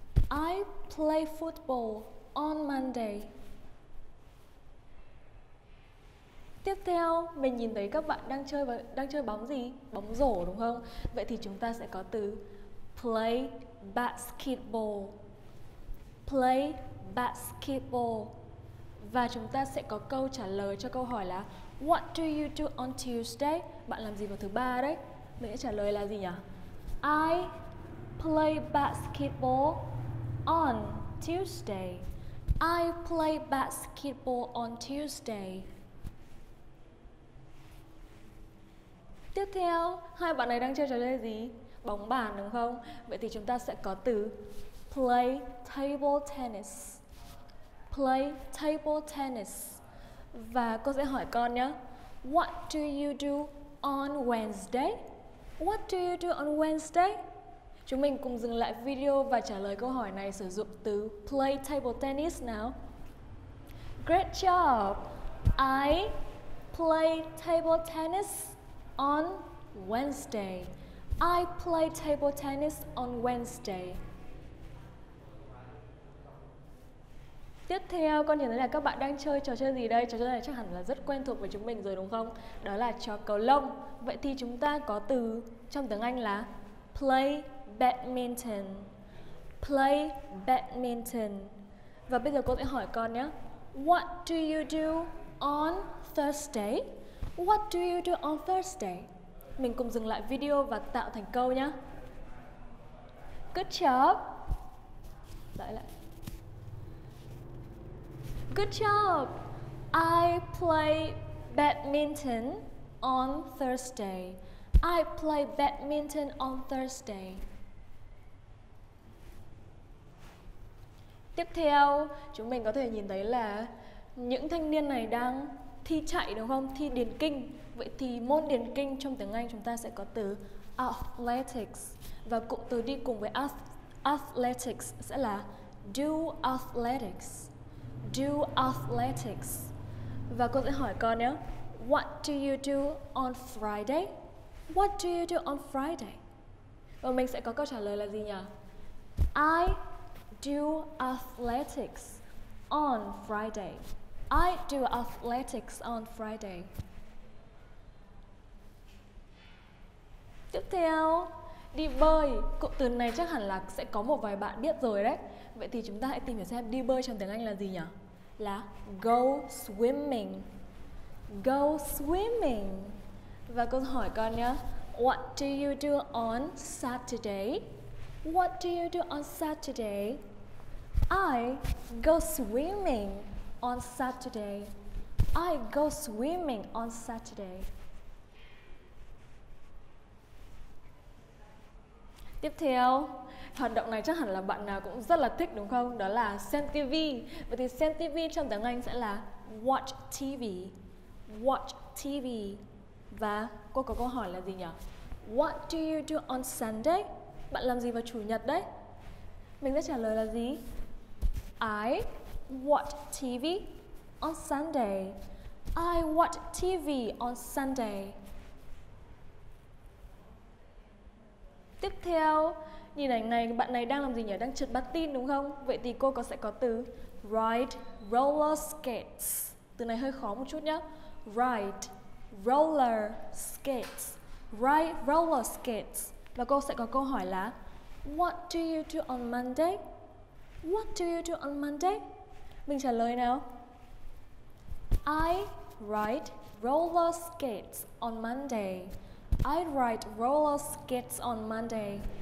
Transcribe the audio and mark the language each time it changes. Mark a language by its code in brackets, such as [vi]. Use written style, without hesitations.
[en] I play football on Monday. [vi] Tiếp theo, mình nhìn thấy các bạn đang chơi bóng gì? Bóng rổ đúng không? Vậy thì chúng ta sẽ có từ [en] play basketball. Play basketball. [vi] Và chúng ta sẽ có câu trả lời cho câu hỏi là [en] What do you do on Tuesday? [vi] Bạn làm gì vào thứ ba đấy? Mình sẽ trả lời là gì nhỉ? [en] I play basketball on Tuesday. I play basketball on Tuesday. [vi] Tiếp theo, hai bạn này đang chơi trò chơi gì? Bóng bàn đúng không? Vậy thì chúng ta sẽ có từ [en] play table tennis. Play table tennis. [vi] Và cô sẽ hỏi con nhé. [en] What do you do on Wednesday? What do you do on Wednesday? [vi] Chúng mình cùng dừng lại video và trả lời câu hỏi này sử dụng từ play table tennis nào. [en] Great job! I play table tennis on Wednesday. I play table tennis on Wednesday. [vi] Tiếp theo, con nhìn thấy là các bạn đang chơi trò chơi gì đây? Trò chơi này chắc hẳn là rất quen thuộc với chúng mình rồi đúng không? Đó là trò cầu lông. Vậy thì chúng ta có từ trong tiếng Anh là [en] play badminton. Play badminton. [vi] Và bây giờ cô sẽ hỏi con nhé. [en] What do you do on Thursday? What do you do on Thursday? [vi] Mình cùng dừng lại video và tạo thành câu nhé. [en] Good job. [vi] Lại. [en] Good job. I play badminton on Thursday. I play badminton on Thursday. [vi] Tiếp theo, chúng mình có thể nhìn thấy là những thanh niên này đang thi chạy đúng không? Thi điền kinh. Vậy thì môn điền kinh trong tiếng Anh chúng ta sẽ có từ athletics. Và cụm từ đi cùng với athletics sẽ là [en] do athletics. Do athletics. [vi] Và cô sẽ hỏi con nhé. [en] What do you do on Friday? What do you do on Friday? [vi] Và mình sẽ có câu trả lời là gì nhỉ? [en] I do athletics on Friday. I do athletics on Friday. [vi] Tiếp theo, đi bơi. Cụm từ này chắc hẳn là sẽ có một vài bạn biết rồi đấy. Vậy thì chúng ta hãy tìm hiểu xem đi bơi trong tiếng Anh là gì nhỉ? Là [en] go swimming. Go swimming. [vi] Và con hỏi con nhé. [en] What do you do on Saturday? What do you do on Saturday? I go swimming on Saturday. I go swimming on Saturday. [vi] Tiếp theo, hoạt động này chắc hẳn là bạn nào cũng rất là thích đúng không? Đó là xem TV. Vậy thì xem TV trong tiếng Anh sẽ là [en] watch TV. Watch TV. [vi] Và cô có câu hỏi là gì nhỉ? [en] What do you do on Sunday? [vi] Bạn làm gì vào Chủ nhật đấy? Mình sẽ trả lời là gì? [en] I watch TV on Sunday. I watch TV on Sunday. [vi] Tiếp theo, nhìn ảnh này, bạn này đang làm gì nhỉ? Đang trượt bát tin đúng không? Vậy thì cô sẽ có từ [en] ride roller skates. [vi] Từ này hơi khó một chút nhé. [en] Ride roller skates. Ride roller skates. [vi] Và cô sẽ có câu hỏi là [en] What do you do on Monday? What do you do on Monday? [vi] Mình trả lời nào. [en] I ride roller skates on Monday. I ride roller skates on Monday.